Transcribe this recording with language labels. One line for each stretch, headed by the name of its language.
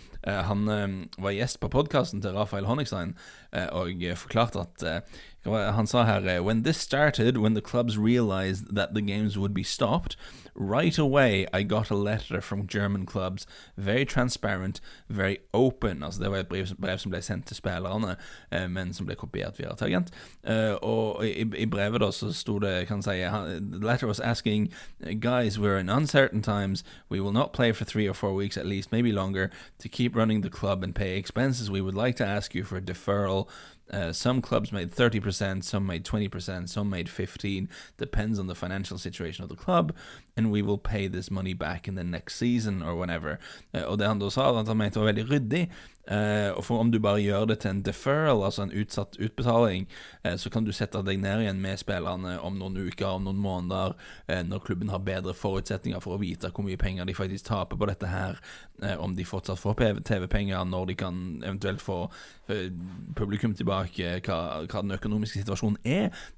Norwegian: Han var gjest på podcasten til Rafael Honigstein og forklarte at han sa her,
English: when this started, when the clubs realized that the games would be stopped, right away I got a letter from German clubs, very transparent, very open.
Norwegian: Altså det var et brev som ble sendt til spillerne, men som ble kopiert via et agent. Og I brevet da så sto det, kan jeg si,
English: the letter was asking, guys, we're in uncertain times, we will not play for 3 or 4 weeks at least, maybe longer, to keep running the club and pay expenses, we would like to ask you for a deferral. Some clubs made 30%, some made 20%, some made 15%, depends on the financial situation of the club, and we will pay this money back in the next season or whenever.
Norwegian: Og det han da sa, at han mente var veldig ryddig, Og for om du bare gjør det til en deferral, altså en utsatt utbetaling, så kan du sette deg ned igjen med spillerne om noen uker, om noen måneder, når klubben har bedre forutsetninger for å vite hvor mye penger de faktisk taper på dette her, om de fortsatt får TV-penger, når de kan eventuelt få publikum tilbake, hva den økonomiske situasjonen er.